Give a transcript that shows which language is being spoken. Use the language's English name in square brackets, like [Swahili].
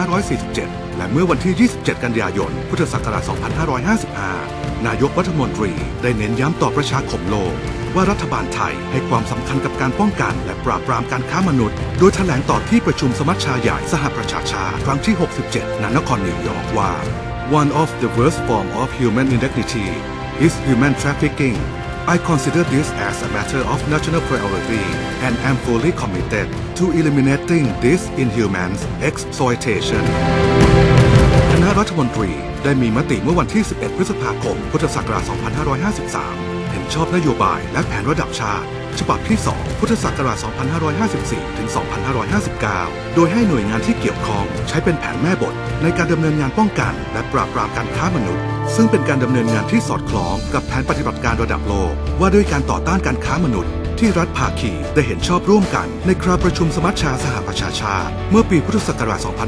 [Thai] 2547และเมื่อวันที่27กันยายนพุทธศักราช2555นายกรัฐมนตรีได้เน้นย้ำต่อประชาคมโลกว่ารัฐบาลไทยให้ความสำคัญกับการป้องกันและปราบปรามการค้ามนุษย์โดยแถลงต่อที่ประชุมสมัชชาใหญ่สหประชาชาติครั้งที่67ณ นครนิวยอร์กว่า [English] One of the worst form of human indignity is human trafficking. I consider this as a matter of national priority and am fully committed to eliminating this inhuman exploitation. [Thai] คณะรัฐมนตรีได้มีมติเมื่อวันที่11พฤษภาคมพุทธศักราช2553เห็นชอบนโยบายและแผนระดับชาติฉบับที่2พุทธศักราช2554ถึง2559โดยให้หน่วยงานที่เกี่ยวข้องใช้เป็นแผนแม่บทในการดำเนินงานป้องกันและปราบปรามการค้ามนุษย์ซึ่งเป็นการดำเนินงานที่สอดคล้องกับแผนปฏิบัติการระดับโลกว่าด้วยการต่อต้านการค้ามนุษย์ที่รัฐภาคีได้เห็นชอบร่วมกันในคราวประชุมสมัชชาสหประชาชาติเมื่อปีพุทธศักราช